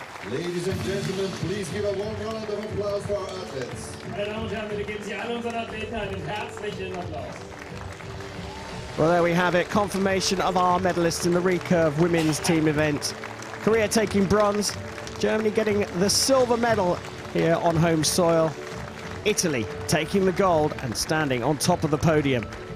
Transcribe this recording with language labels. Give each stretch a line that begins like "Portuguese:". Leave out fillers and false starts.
English: Ladies and gentlemen, please give a warm round of applause for our athletes.
German: Meine Damen und Herren, bitte geben Sie allen unseren Athleten einen herzlichen Applaus.
English: Well, there we have it. Confirmation of our medalists in the Recurve Women's Team event. Korea taking bronze. Germany getting the silver medal here on home soil. Italy taking the gold and standing on top of the podium.